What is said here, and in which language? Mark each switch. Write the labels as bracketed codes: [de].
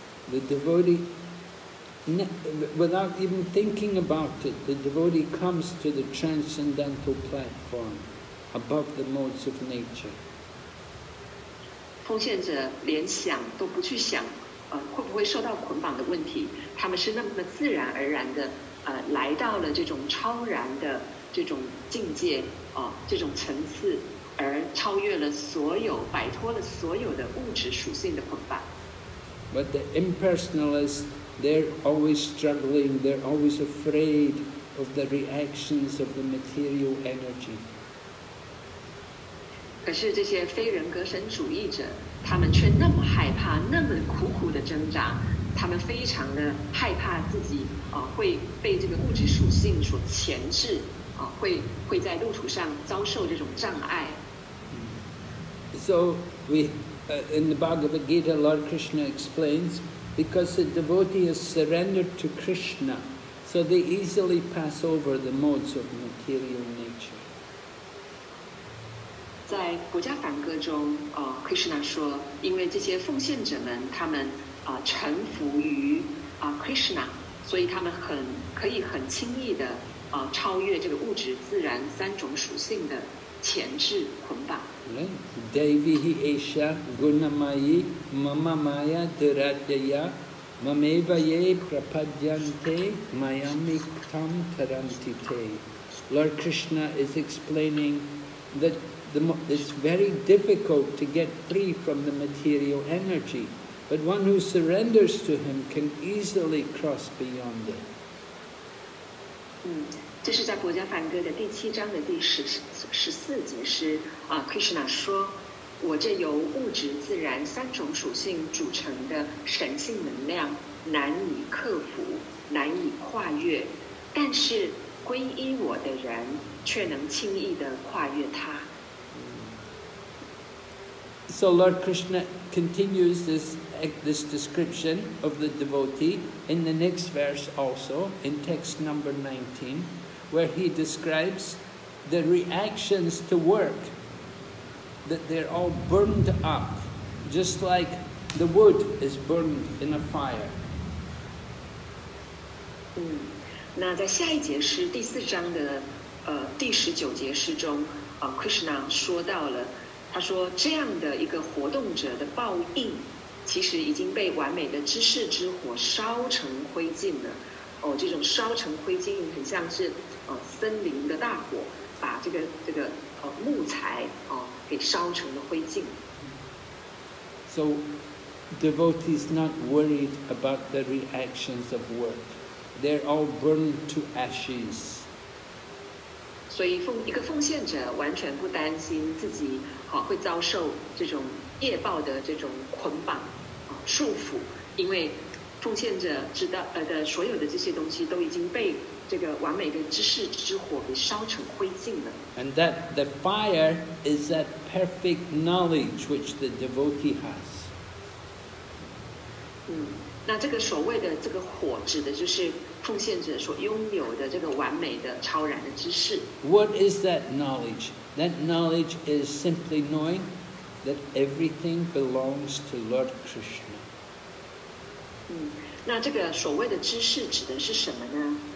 [en] The devotee, without even thinking about it, the devotee comes to the transcendental platform above the modes of nature. [zh] 奉献者连想都不去想会不会受到捆绑的问题，他们是那么自然而然的来到了这种超然的这种境界这种层次，而超越了所有，摆脱了所有的物质属性的捆绑。 [en] But the impersonalists, they're always struggling, they're always afraid of the reactions of the material energy. [zh] 可是这些非人格神主义者，他们却那么害怕，那么苦苦的挣扎，他们非常的害怕自己会被这个物质属性所钳制会在路途上遭受这种障碍。 [en] So we in the Bhagavad Gita, Lord Krishna explains, because the devotee has surrendered to Krishna, so they easily pass over the modes of material nature. [zh] 在国家梵歌中Krishna 说，因为这些奉献者们他们臣服于Krishna， 所以他们可以很轻易的超越这个物质自然三种属性的钳制捆绑。 [sa] Devihi esha gunamayi mama maya duradaya mameva ye prapadyante mayamiktam tarantite. [en] Lord Krishna is explaining thatIt's very difficult to get free from the material energy, but one who surrenders to him can easily cross beyond it. [zh] 这是在《薄伽梵歌》的第七章的第14节，是啊 ，Krishna 说：“我这由物质、自然三种属性组成的神性能量，难以克服，难以跨越，但是皈依我的人却能轻易地跨越它。” [en] So Lord Krishna continues this description of the devotee in the next verse also, in text number 19, where he describes the reactions to work, that they're all burned up, just like the wood is burned in a fire. [zh] 那在下一节是第四章的第十九节诗中Krishna 说到了，他说这样的一个活动者的报应其实已经被完美的知识之火烧成灰烬了。这种烧成灰烬很像是森林的大火把这个木材给烧成了灰烬。 [en] So devotees not worried about the reactions of work, they're all burned to ashes. [zh] 所以一个奉献者完全不担心自己会遭受这种业报的这种捆绑束缚，因为奉献者知道的所有的这些东西都已经被这个完美的知识之火给烧成灰烬了。 [en] And that the fire is that perfect knowledge which the devotee has. [zh] 那这个所谓的这个火指的就是奉献者所拥有的这个完美的超然的知识。 [en] What is that knowledge? That knowledge is simply knowing that everything belongs to Lord Krishna. [zh] 那这个所谓的知识指的是什么呢？